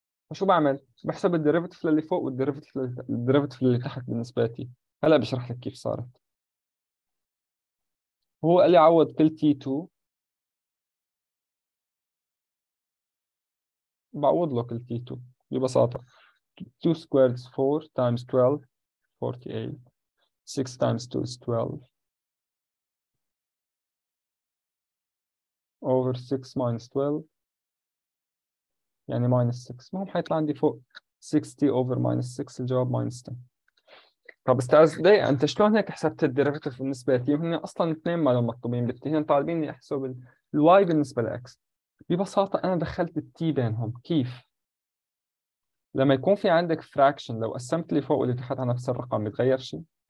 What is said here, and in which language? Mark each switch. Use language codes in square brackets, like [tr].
[ar] فشو بعمل؟ بحسب الديريفيتيف للي فوق والديريفيتيف الديريفيتيف للي تحت بالنسبه لي. هلا بشرح لك كيف صارت. هو قال لي عوض كل تي 2، بعوض له كل تي 2 ببساطه. [en] 2 squared is 4 times 12 48 6 times 2 is 12 over 6 minus 12 يعني minus 6. [ar] ما هو حيطلع عندي فوق 60 over minus 6، الجواب minus 10. طب استاذ ليه انت شلون هيك حسبت الديريفيتيف بالنسبه لي؟ هن اصلا اثنين ما لهم مطلوبين بالتي، هن طالبين يحسب الواي بالنسبه للاكس. ببساطه انا دخلت التي بينهم. كيف؟ لما يكون في عندك فراكشن لو قسمت اللي فوق واللي تحت على نفس الرقم بيتغير شيء؟